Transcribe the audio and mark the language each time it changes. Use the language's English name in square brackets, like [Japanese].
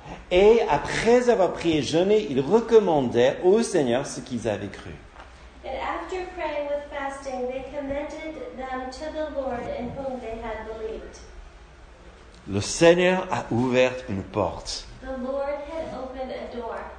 [French] Et après avoir prié et jeûné, ils recommandaient au Seigneur ce qu'ils avaient cru. [English] And after praying with fasting, they commended them to the Lord in whom they had believed. [French] Le Seigneur a ouvert une porte. [English] The Lord had opened a door.